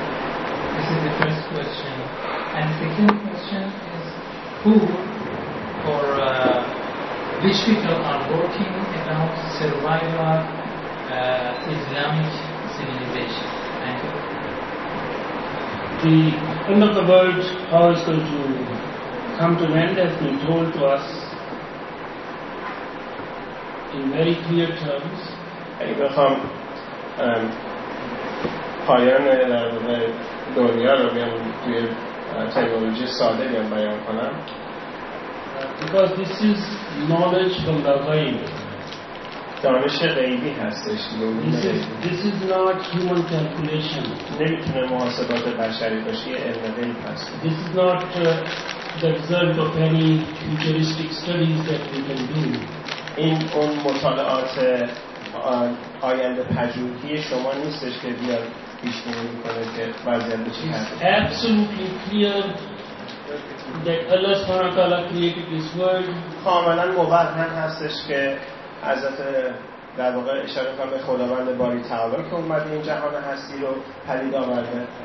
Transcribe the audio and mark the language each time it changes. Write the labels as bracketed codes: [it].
[en] This is the first question. And the second question is who or which people are working about survival of Islamic civilization? Thank you. The end of the world, how is going to come to an end, has been told to us in very clear terms. [fa] اگه بخوام پایان دنیا رو بیام توی تکنولوژی ساده بیام بیان کنم. [en] Because this is knowledge from the غیب. [fa] دانش غیبی هستش. [en] This is not human calculation. [fa] نمیتونه محاسبات بشری باشه، یه علم غیب هست. [en] This is not the result of any futuristic studies that we can do. [fa] این اون مطالعات آینده پژوهی شما نیستش که بیاد پیش بینی کنه که وضعیت چی هست. [en] Absolutely clear that Allah سبحانه و تعالی created this world. [fa] کاملا مبرهن هستش که حضرت در واقع اشاره کنم به خداوند باری تعالی که اومد این جهان هستی رو پدید آورده.